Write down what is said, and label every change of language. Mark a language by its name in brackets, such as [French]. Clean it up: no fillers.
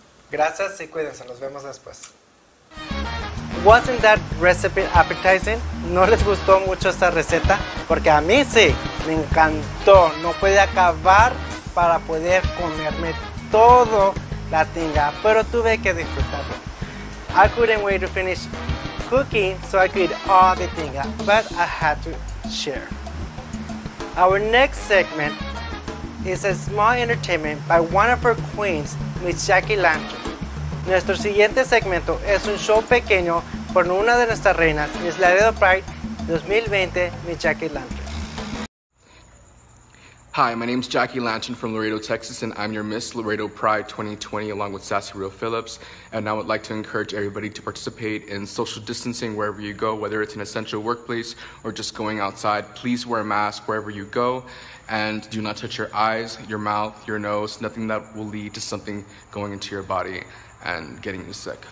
[Spanish] Gracias y cuídense. Nos vemos después. [English] Wasn't that recipe appetizing? [Spanish] ¿No les gustó mucho esta receta? Porque a mí sí, me encantó. No pude acabar para poder comerme todo la tinga, pero tuve que disfrutarlo. [English] I couldn't wait to finish cooking so I could eat all the tinga, but I had to share. Our next segment is a small entertainment by one of our queens, Miss Jackie Lantern. [Spanish] Nuestro siguiente segmento es un show pequeño por una de nuestras reinas, Miss Laredo Pride 2020, Miss Jackie Lantern. [English] Hi, my name is Jackie Lantern from Laredo, Texas, and I'm your Miss Laredo Pride 2020 along with Sassy Real Phillips. And I would like to encourage everybody to participate in social distancing wherever you go, whether it's an essential workplace or just going outside. Please wear a mask wherever you go and do not touch your eyes, your mouth, your nose, nothing that will lead to something going into your body and getting you sick.